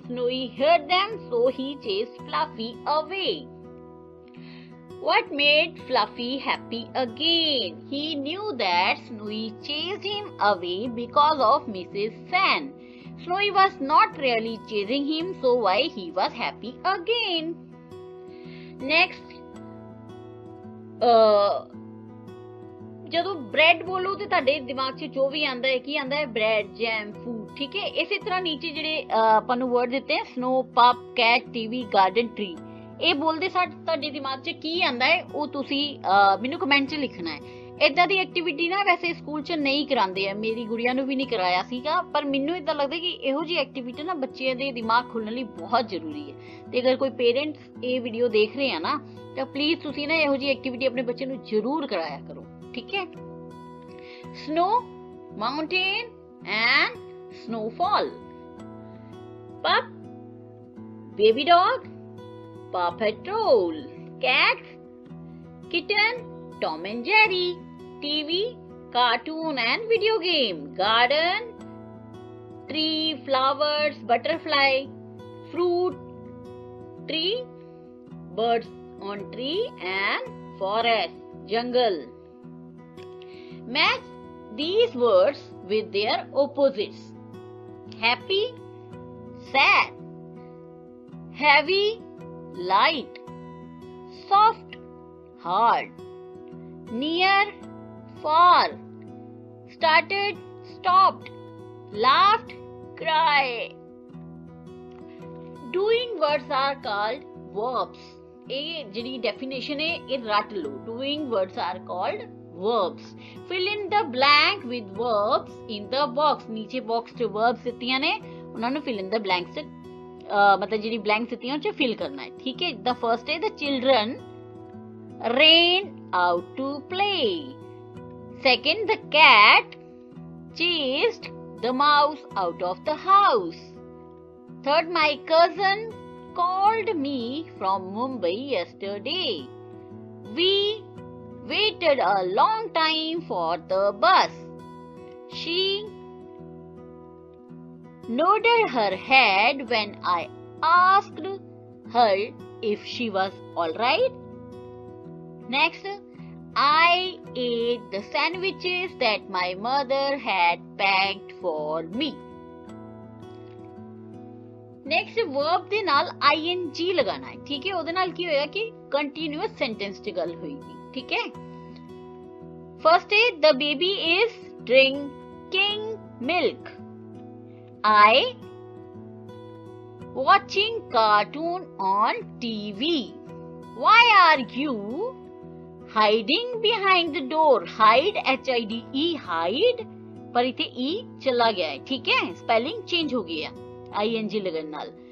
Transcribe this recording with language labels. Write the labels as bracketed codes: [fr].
[en] Snowy heard them, so he chased Fluffy away. What made Fluffy happy again? He knew that Snowy chased him away because of Mrs. San. Snowy was not really chasing him, so why he was happy again? [pa] Next, ਜਦੋਂ bread ਬੋਲੋ ਤੇ ਤੁਹਾਡੇ ਦਿਮਾਗ 'ਚ ਜੋ ਵੀ ਆਉਂਦਾ ਹੈ, ਕੀ ਆਉਂਦਾ ਹੈ? ਬ੍ਰੈਡ, ਜੈਮ, ਫੂਡ, ਠੀਕ ਹੈ? ਇਸੇ ਤਰ੍ਹਾਂ ਨੀਚੇ ਜਿਹੜੇ ਆਪਾਂ ਨੂੰ ਵਰਡ ਦਿੱਤੇ ਹੈ, snow, ਪੱਪ, cat, TV, garden, tree, ਇਹ ਬੋਲਦੇ ਤੁਹਾਡੇ ਦਿਮਾਗ 'ਚ ਕੀ ਆਉਂਦਾ ਹੈ ਉਹ ਤੁਸੀਂ ਮੈਨੂੰ ਕਮੈਂਟ 'ਚ ਲਿਖਣਾ ਹੈ। ਇੱਦਾਂ ਦੀ ਐਕਟੀਵਿਟੀ ਨਾ ਵੈਸੇ ਸਕੂਲ 'ਚ ਨਹੀਂ ਕਰਾਉਂਦੇ ਹੈ, ਮੇਰੀ ਗੁੜੀਆ ਨੂੰ ਵੀ ਨਹੀਂ ਕਰਾਇਆ ਸੀਗਾ, ਪਰ ਮੈਨੂੰ ਇੱਦਾਂ ਲੱਗਦਾ ਕਿ ਇਹੋ ਜਿਹੀ ਐਕਟੀਵਿਟੀ ਨਾ ਬੱਚਿਆਂ ਦੇ ਦਿਮਾਗ ਖੁੱਲ੍ਹਣ ਲਈ ਬਹੁਤ ਜ਼ਰੂਰੀ ਹੈ। ਅਤੇ ਅਗਰ ਕੋਈ ਪੇਰੈਂਟਸ ਇਹ ਵੀਡੀਓ ਦੇਖ ਰਹੇ ਆ ਨਾ, ਤਾਂ ਪਲੀਜ਼ ਤੁਸੀਂ ਨਾ ਇਹੋ ਜਿਹੀ ਐਕਟੀਵਿਟੀ ਆਪਣੇ ਬੱਚੇ ਨੂੰ ਜ਼ਰੂਰ ਕਰਾਇਆ ਕਰੋ, ਠੀਕ ਹੈ? [en] Snow, mountain and snowfall. Pup, baby dog, Paw Patrol. Cat, kitten, Tom and Jerry. TV, cartoon and video game. Garden, tree, flowers, butterfly, fruit, tree, birds on tree and forest, jungle. Match these words with their opposites. Happy, sad, heavy, light, soft, hard, near, far, started, stopped, laughed, cried. Doing words are called verbs. [pa] ਇਹ ਜਿਹੜੀ definition ਹੈ ਇਹ ਰੱਟ ਲਓ, [en] doing words are called verbs, fill in the blank with verbs in the box, [pa] ਨੀਚੇ box 'ਚ verbs ਦਿੱਤੀਆਂ ਨੇ ਉਹਨਾਂ ਨੂੰ ਫਿਲ ਇਨ ਦ ਬਲੈਂਕ, ਮਤਲਬ ਜਿਹੜੀ ਬਲੈਂਕ ਦਿੱਤੀਆਂ ਉਹ 'ਚ ਫਿਲ ਕਰਨਾ ਹੈ, ਠੀਕ ਹੈ। [en] The first is the children ran out to play, second the cat chased the mouse out of the house, third my cousin called me from Mumbai yesterday, we waited a long time for the bus, she nodded her head when I asked her if she was all right, next I ate the sandwiches that my mother had packed for me. [pa] Next verb ਦੇ ਨਾਲ ਆਈ ਐਨ ਜੀ ਲਗਾਉਣਾ ਹੈ, ਠੀਕ ਹੈ। ਉਹਦੇ ਨਾਲ ਕੀ ਹੋਇਆ ਕਿ ਕੰਟੀਨਿਊਸ ਸੈਂਟੈਂਸ 'ਚ ਗੱਲ ਹੋਏਗੀ, ਠੀਕ ਹੈ। [en] first is the baby is drinking milk, I watching cartoon on TV, why are you hiding behind the door, hide H I D E hide, [pa] ਪਰ ਇੱਥੇ ਈ ਚਲਾ ਗਿਆ ਹੈ, ਠੀਕ ਹੈ, ਸਪੈਲਿੰਗ ਚੇਂਜ ਹੋ ਗਈ ਹੈ ing ਲਗਨ ਨਾਲ।